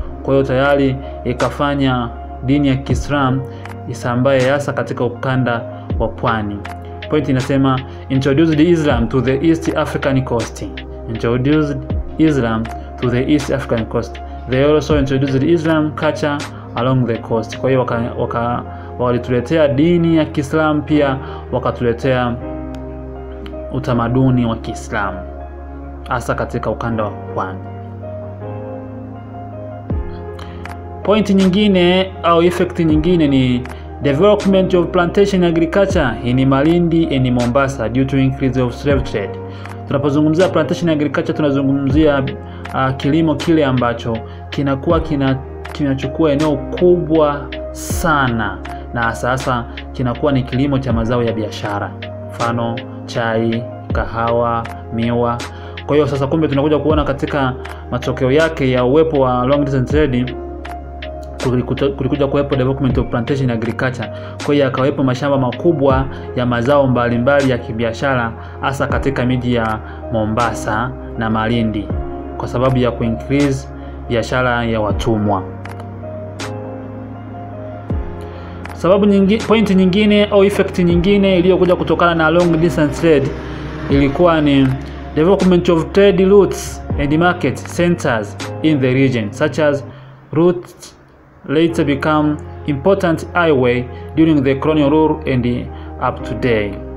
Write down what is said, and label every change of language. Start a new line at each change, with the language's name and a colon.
Swahili: Kwa hiyo tayari ikafanya dini ya Kiislamu isambaye hasa katika ukanda wa pwani.
English: Point
Swahili: inasema
English: introduced Islam to the East African coast. Introduced Islam to the East African coast. They also introduced Islam culture along the coast.
Swahili: Kwa hiyo walituletea dini ya Kiislamu pia wakatuletea utamaduni wa Kiislamu hasa katika ukanda wa pwani. Point nyingine au effect nyingine ni
English: development of plantation agriculture in Malindi and Mombasa due to increase of slave trade.
Swahili: Tunapozungumzia plantation agriculture tunazungumzia kilimo kile ambacho kinakuwa kinachukua eneo kubwa sana na sasa kinakuwa ni kilimo cha mazao ya biashara. Mfano chai, kahawa, miwa. Kwa hiyo sasa kumbe tunakuja kuona katika matokeo yake ya uwepo wa
English: long distance trade
Swahili: kulikuja kuwepo
English: development of plantation agriculture.
Swahili: Kwa hiyo akawepo mashamba makubwa ya mazao mbalimbali ya kibiashara hasa katika miji ya Mombasa na Malindi kwa sababu ya kuincrease biashara ya watumwa. Sababu nyingine, point nyingine au effect nyingine iliyokuja kutokana na long distance trade ilikuwa ni
English: development of trade routes and market centers in the region such as routes later become important highway during the colonial rule and up to today.